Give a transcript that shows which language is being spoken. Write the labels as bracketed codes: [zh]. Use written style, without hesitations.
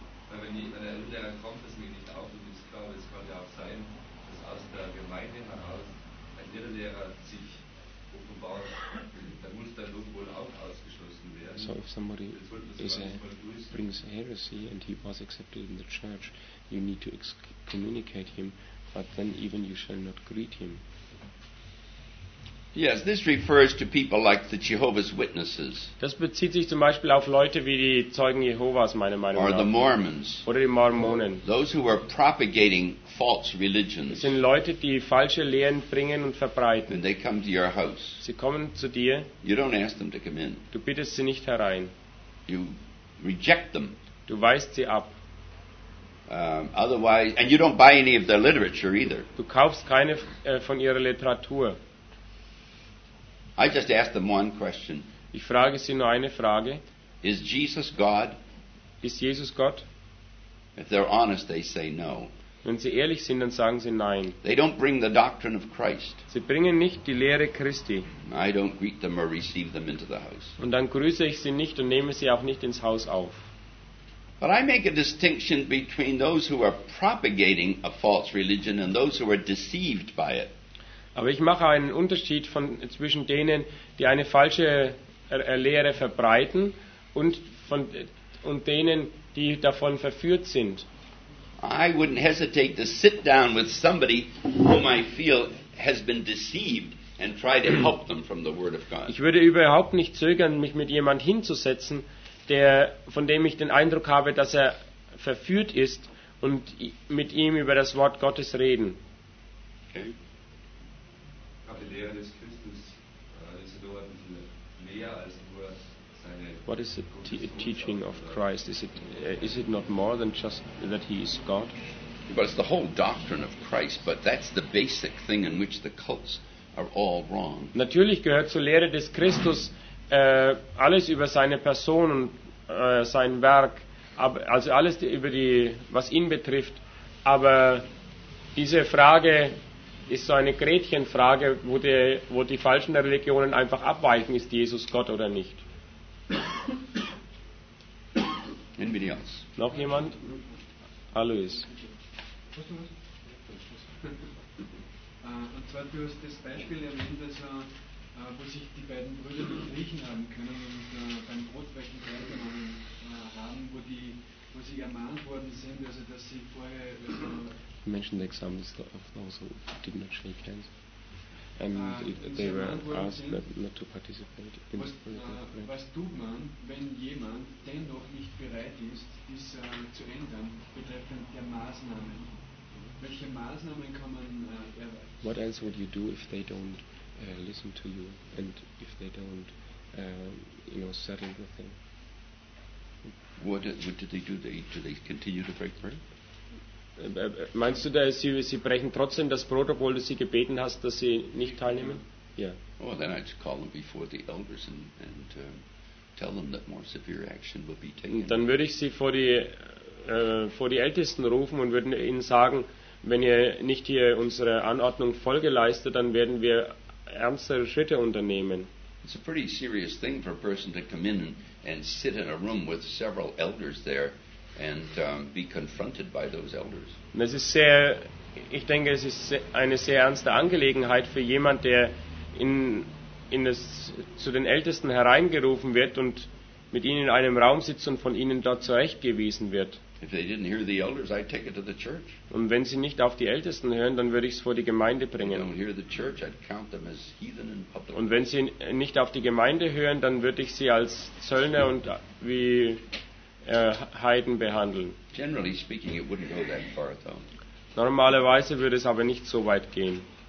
[de] Wenn jemand ein Lehrer kommt, das nehmt nicht auf und ist klar, es kann ja auch sein, dass aus der Gemeinde heraus ein Irrlehrer sich offenbart, dann muss der Lob wohl auch ausgeschlossen werden. [en] So if somebody is a brings heresy and he was accepted in the church, you need to excommunicate him, but then even you shall not greet him. Yes, this refers to people like the Jehovah's Witnesses. [de] Das bezieht sich zum Beispiel auf Leute wie die Zeugen Jehovas, meiner Meinung nach. [en] Or the Mormons. [de] Oder die Mormonen. [en] Those who are propagating false religions. [de] Das sind Leute, die falsche Lehren bringen und verbreiten. [en] And they come to your house. [de] Sie kommen zu dir. [en] You don't ask them to come in. [de] Du bittest sie nicht herein. [en] You reject them. [de] Du weist sie ab. [en] Otherwise, and you don't buy any of their literature either. [de] Du kaufst keine von ihrer Literatur. [en] I just ask them one question. [de] Ich frage sie nur eine Frage. [en] Is Jesus God? [de] Ist Jesus Gott? [en] If they're honest, they say no. [de] Wenn sie ehrlich sind, dann sagen sie nein. [en] They don't bring the doctrine of Christ. [de] Sie bringen nicht die Lehre Christi. [en] I don't greet them or receive them into the house. [de] Und dann grüße ich sie nicht und nehme sie auch nicht ins Haus auf. [en] But I make a distinction between those who are propagating a false religion and those who are deceived by it. [de] Aber ich mache einen Unterschied zwischen denen, die eine falsche Lehre verbreiten und denen, die davon verführt sind. [en] I wouldn't hesitate to sit down with somebody whom I feel has been deceived and try to help them from the word of God. [de] Ich würde überhaupt nicht zögern, mich mit jemand hinzusetzen, der von dem ich den Eindruck habe, dass er verführt ist, und mit ihm über das Wort Gottes reden. [en] Okay. What is the teaching of Christ? Is it not more than just that he is God? But it's the whole doctrine of Christ, but that's the basic thing in which the cults are all wrong. [de] Natürlich gehört zur Lehre des Christus alles über seine Person und sein Werk, also alles über die, was ihn betrifft, aber diese Frage ist so eine Gretchenfrage, wo die falschen Religionen einfach abweichen, ist Jesus Gott oder nicht? [en] Anybody else? [de] Noch jemand? Alois. Und zwar, du hast das Beispiel erwähnt, also, wo sich die beiden Brüder nicht riechen haben können und beim Brotbrechen teilgenommen haben, wo die, wo sie ermahnt worden sind, also dass sie vorher... Also [en] mentioned the examples of those who did not shake hands. And they were asked not to participate in was, the program. [de] Was tut man, wenn jemand dennoch nicht bereit ist, dies zu ändern, betreffend der Maßnahmen? Welche Maßnahmen kann man erweitern? [en] What else would you do if they don't listen to you and if they don't, you know, settle the thing? What did they do? Do they continue to break bread? [de] Meinst du, dass sie brechen trotzdem das Brot, obwohl du sie gebeten hast, dass sie nicht teilnehmen? Ja. [en] Yeah. Well, then I'd call them before the elders and tell them that more severe action would be taken. [de] Dann würde ich sie vor die Ältesten rufen und würde ihnen sagen, wenn ihr nicht hier unsere Anordnung Folge leistet, dann werden wir ernstere Schritte unternehmen. [en] It's a pretty serious thing for a person to come in and sit in a room with several elders there and be confronted by those elders. [de] Es ist sehr, ich denke, es ist eine sehr ernste Angelegenheit für jemand, der zu den Ältesten hereingerufen wird und mit ihnen in einem Raum sitzt und von ihnen dort zurechtgewiesen wird. [en] If they didn't hear the elders, I'd take it to the church. [de] Und wenn sie nicht auf die Ältesten hören, dann würde ich es vor die Gemeinde bringen. [en] If they don't hear the church, I'd count them as heathen in public. [de] Und wenn sie nicht auf die Gemeinde hören, dann würde ich sie als Zöllner und wie Heiden behandeln. [en] Generally speaking, it wouldn't go that far, though. [de] Normalerweise würde es aber nicht so weit gehen.